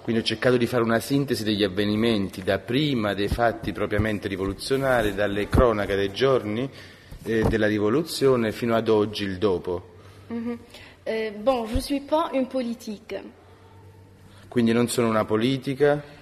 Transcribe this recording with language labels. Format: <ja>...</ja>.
<it>Quindi ho cercato di fare una sintesi degli avvenimenti da prima, dei fatti propriamente rivoluzionari, dalle cronache dei giorni della rivoluzione fino ad oggi, il dopo.</it> <fr>Bon, je suis pas une politique.</fr> <it>Quindi non sono una politica.</it>